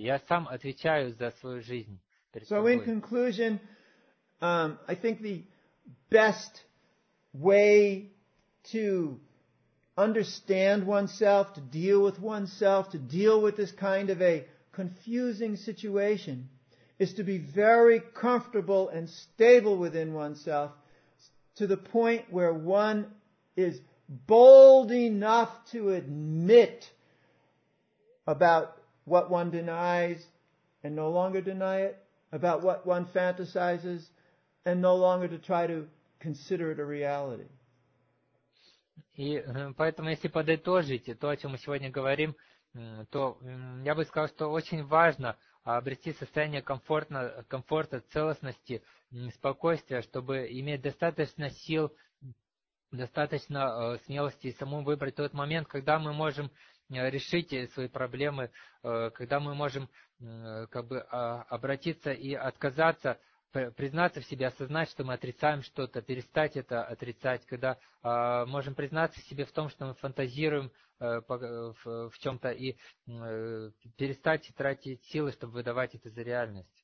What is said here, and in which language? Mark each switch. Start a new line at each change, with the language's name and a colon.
Russian: Я сам отвечаю за свою жизнь перед собой.
English: So in conclusion, I think the best way to understand oneself, to deal with oneself, to deal with this kind of a confusing situation, is to be very comfortable and stable within oneself to the point where one is bold enough to admit about what one denies and no longer deny it, about what one fantasizes and no longer to try to consider it a reality.
Russian: И поэтому, если подытожить то, о чем мы сегодня говорим, то я бы сказал, что очень важно обрести состояние комфорта, целостности, спокойствия, чтобы иметь достаточно сил, достаточно смелости и самому выбрать тот момент, когда мы можем решить свои проблемы, когда мы можем как бы обратиться и отказаться, признаться в себе, осознать, что мы отрицаем что-то, перестать это отрицать, когда можем признаться в себе в том, что мы фантазируем в чем-то, и перестать тратить силы, чтобы выдавать это за реальность.